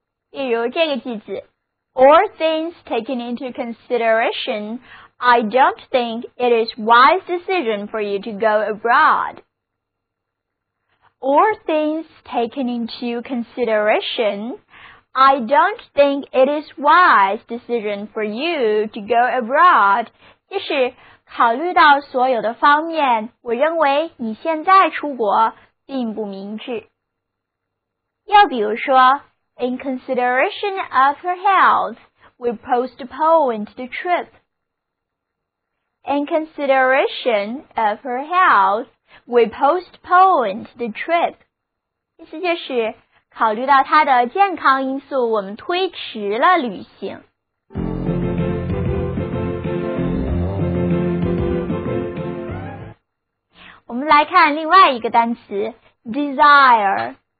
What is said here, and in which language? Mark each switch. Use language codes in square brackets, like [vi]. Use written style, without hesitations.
[zh] 例如这个句子， [en] All things taken into consideration, I don't think it is wise decision for you to go abroad. All things taken into consideration, I don't think it is wise decision for you to go abroad. [zh] 就是考虑到所有的方面，我认为你现在出国并不明智。又比如说 [en] In consideration of her health, we postponed the trip. In consideration of her health, we postponed the trip. [zh] 意思就是考虑到她的健康因素，我们推迟了旅行。我们来看另外一个单词 ,desire。